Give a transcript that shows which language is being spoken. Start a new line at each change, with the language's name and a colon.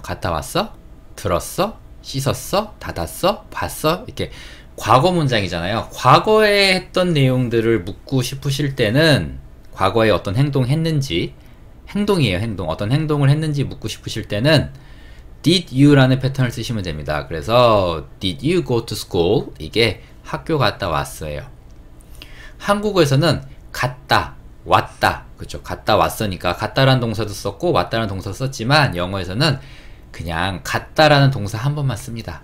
Korean: 갔다 왔어? 들었어? 씻었어? 닫았어? 봤어? 이렇게 과거 문장이잖아요. 과거에 했던 내용들을 묻고 싶으실 때는 과거에 어떤 행동 했는지 행동이에요. 행동. 어떤 행동을 했는지 묻고 싶으실 때는 Did you라는 패턴을 쓰시면 됩니다. 그래서
English: Did you go to school?
Korean: 이게 학교 갔다 왔어요. 한국어에서는 갔다, 왔다. 그렇죠. 갔다 왔으니까 갔다라는 동사도 썼고 왔다라는 동사도 썼지만 영어에서는 그냥 갔다라는 동사 한 번만 씁니다.